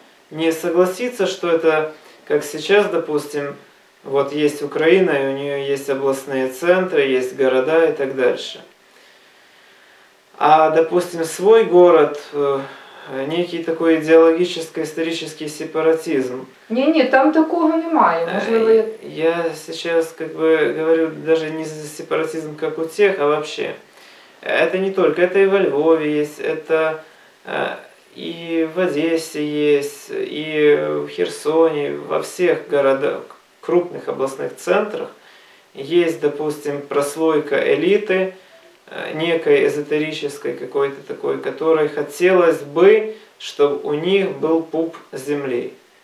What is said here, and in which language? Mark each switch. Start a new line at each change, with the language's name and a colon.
Russian: Не согласиться, что это, как сейчас, допустим, вот есть Украина, и у нее есть областные центры, есть города и так дальше. А, допустим, свой город, некий такой идеологический, исторический сепаратизм.
Ukrainian: Не-не, там такого немає, можливо.
Russian: Я сейчас как бы говорю даже не за сепаратизм, как у тех, а вообще. Это не только, это и во Львове есть, это и в Одессе есть, и в Херсоне, во всех городах, крупных областных центрах есть, допустим, прослойка элиты, некой эзотерической какой-то такой, которой хотелось бы, чтобы у них был пуп земли.